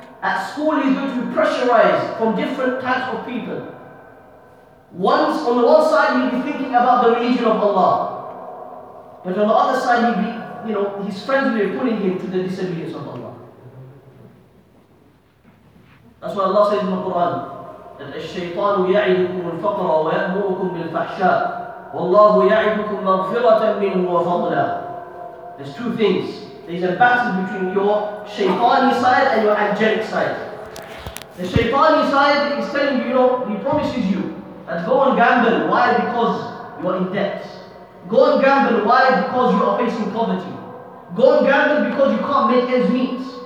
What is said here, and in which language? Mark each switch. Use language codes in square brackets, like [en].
[en] At school, he's going to be pressurized from different types of people. Once, on the one side, he'll be thinking about the religion of Allah. But on the other side, he'll be, you know, his friends will be pulling him to the disobedience of Allah. That's what Allah says in the Quran. [ar] الشيطان يعدكم الفقر ويأمركم بالفحشاء والله يعدكم مغفرة منه وفضلا. [en] There's two things. There's a battle between your shaitani side and your angelic side. The shaitani side is telling you, you know, he promises you that go and gamble. Why? Because you are in debt. Go and gamble. Why? Because you are facing poverty. Go and gamble because you can't make ends meet.